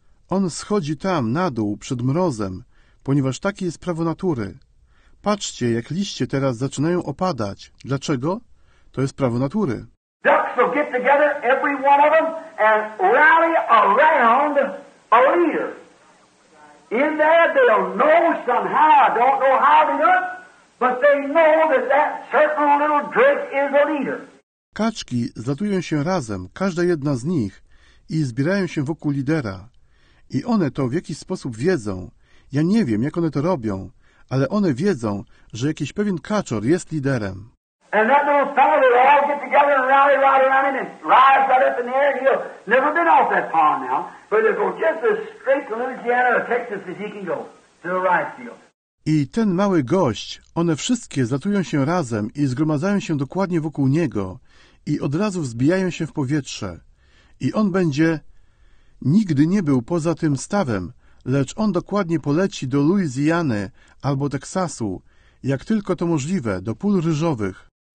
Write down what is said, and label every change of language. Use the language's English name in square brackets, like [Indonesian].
[Polish] On schodzi tam, na dół, przed mrozem, ponieważ takie jest prawo natury. Patrzcie, jak liście teraz zaczynają opadać. Dlaczego? To jest prawo natury. [English] Ducks will get together, every one of them, and rally around a leader. In there, they'll know somehow, I don't know how they do it. But they know that that certain little drake is a leader. [Polish] Kaczki zlatują się razem, każda jedna z nich, i zbierają się wokół lidera. I one to w jakiś sposób wiedzą. Ja nie wiem, jak one to robią, ale one wiedzą, że jakiś pewien kaczor jest liderem. [English] And that little fellow, they'll all get together and rally right around him and rise right up in the air. He'll never been off that pond now, but he'll go just as straight to Louisiana or Texas as he can go, to the rice field. [Polish] I ten mały gość, one wszystkie zlatują się razem i zgromadzają się dokładnie wokół niego i od razu wzbijają się w powietrze. I on będzie... Nigdy nie był poza tym stawem, lecz on dokładnie poleci do Luizjany albo Teksasu, jak tylko to możliwe, do Pól Ryżowych.